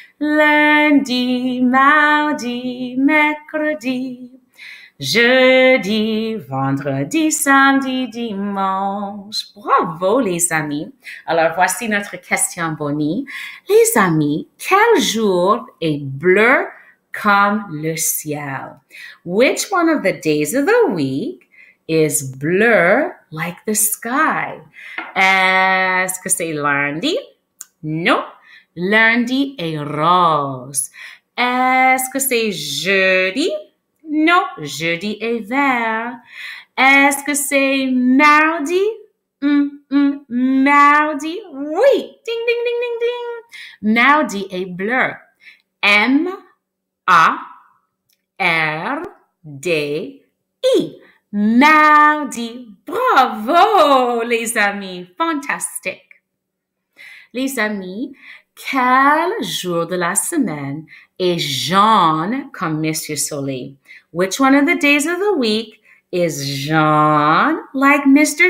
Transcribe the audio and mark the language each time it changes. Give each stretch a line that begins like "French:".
French: Lundi, mardi, mercredi, jeudi, vendredi, samedi, dimanche. Bravo, les amis. Alors, voici notre question, Bonnie. Les amis, quel jour est bleu comme le ciel?
English: Which one of the days of the week is bleu like the sky?
French: Est-ce que c'est lundi? Non. Lundi est rose. Est-ce que c'est jeudi? Non. Jeudi est vert. Est-ce que c'est mardi? Mardi? Oui. Ding, ding, ding, ding, ding. Mardi est bleu. M. A-R-D-I. Mardi. Bravo, les amis. Fantastique. Les amis, quel jour de la semaine est jaune comme Monsieur Soleil?
English: Which one of the days of the week is jaune like Mr.